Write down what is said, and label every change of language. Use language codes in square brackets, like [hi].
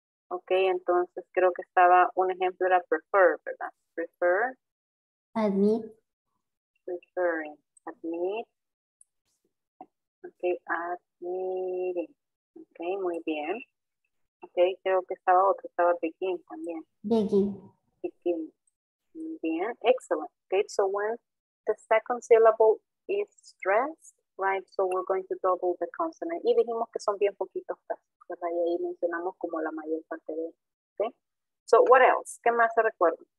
[es] Ok, entonces creo que estaba, un ejemplo era prefer, ¿verdad? [en] Prefer. Admit. Preferring. Admit. Ok, admitting. [es] Ok, muy bien. Ok, creo que estaba otro, estaba begin también. [en] Begin. [es] Begin. Muy bien, excellent. [en] Ok, so when the second syllable is stressed, right, so we're going to double the consonant. [es] Y dijimos que son bien poquitos casos, ¿verdad? Y ahí mencionamos como la mayor parte de ellos. [en] Okay? So, what else? [es] ¿Qué más se recuerda?